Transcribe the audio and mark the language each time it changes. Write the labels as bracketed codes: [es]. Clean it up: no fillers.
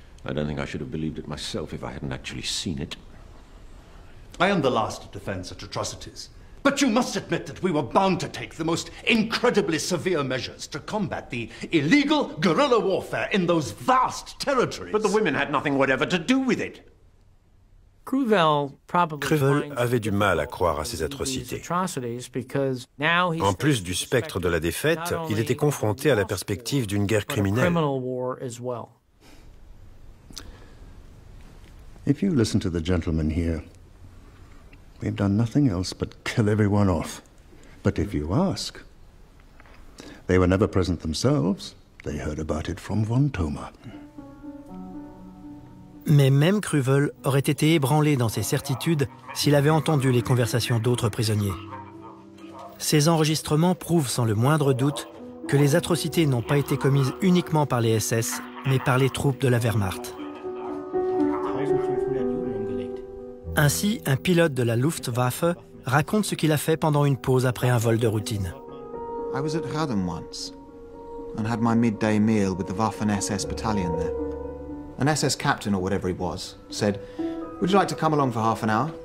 [en] I don't think I should have believed it myself if I hadn't actually seen it. I am the last to defend such atrocities. But you must admit that we were bound to take the most incredibly severe measures to combat the illegal guerrilla warfare in those vast territories. But the women had nothing whatever to do with it. [fr] Crevel avait du mal à croire à ces atrocités. En plus du spectre de la défaite, il était confronté à la perspective d'une guerre criminelle. [en] If you listen to the gentleman here, we've done nothing else but kill everyone off. But if you ask, they were never present themselves. They heard about it from von Thoma. [fr] Mais même Crevel aurait été ébranlé dans ses certitudes s'il avait entendu les conversations d'autres prisonniers. Ces enregistrements prouvent sans le moindre doute que les atrocités n'ont pas été commises uniquement par les SS, mais par les troupes de la Wehrmacht. Ainsi, un pilote de la Luftwaffe raconte ce qu'il a fait pendant une pause après un vol de routine. [en] I was at Radom once and had my midday meal with the Waffen SS battalion there. An SS captain or whatever he was said, "Would you like to come along for half an hour?